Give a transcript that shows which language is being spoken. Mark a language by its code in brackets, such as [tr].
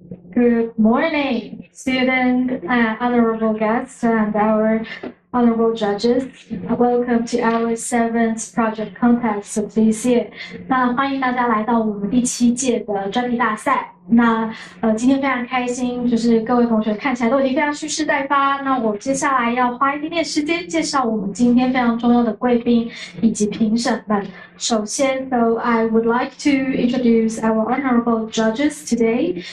[en] Good morning, student, honorable guests, and our honorable judges. Welcome to our 7th project contest of this year. [zh] 那欢迎大家来到我们第七届的专题大赛。那今天非常开心，就是各位同学看起来都已经非常蓄势待发。那我接下来要花一点点时间介绍我们今天非常重要的贵宾以及评审们。 [en] 首先，so I would like to introduce our honorable judges today.